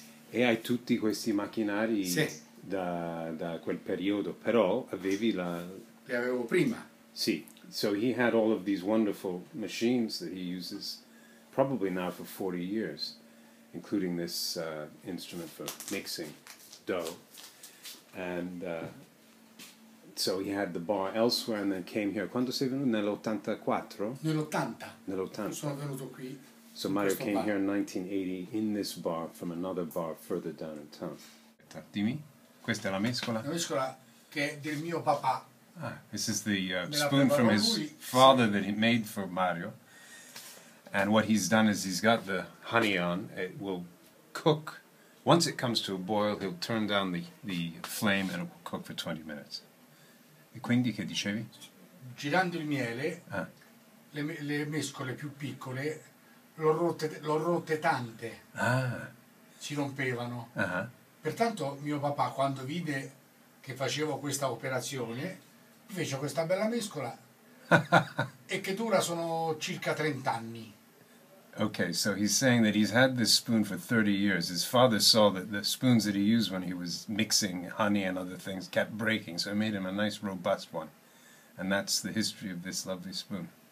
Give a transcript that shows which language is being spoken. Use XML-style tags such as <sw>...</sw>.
<it>E hai tutti questi macchinari sì. da quel periodo, però avevi la... Li avevo prima. Sì.</it> <en>So he had all of these wonderful machines that he uses probably now for 40 years, including this instrument for mixing dough. And so he had the bar elsewhere and then came here.</en> <it>Quando sei venuto? Nell'84? Nell'80. Nell'80. Sono venuto qui.</it> <en>So Mario came here in 1980 in this bar from another bar further down in town.</en> <it>Dimmi, questa è la mescola? La mescola che è del mio papà.</it> <en>Ah, this is the spoon from his father that he made for Mario. And what he's done is he's got the honey on. It will cook. Once it comes to a boil, he'll turn down the flame and it will cook for 20 minutes.</en> <it>E quindi che dicevi? Girando il miele, le mescole più piccole, l'ho rotte tante. Ah. Si rompevano. Uh-huh. Pertanto mio papà, quando vide che facevo questa operazione, fece questa bella mescola e che dura sono circa 30 anni.</it> <en>Okay, so he's saying that he's had this spoon for 30 years. His father saw that the spoons that he used when he was mixing honey and other things kept breaking, so it made him a nice robust one. And that's the history of this lovely spoon.</en>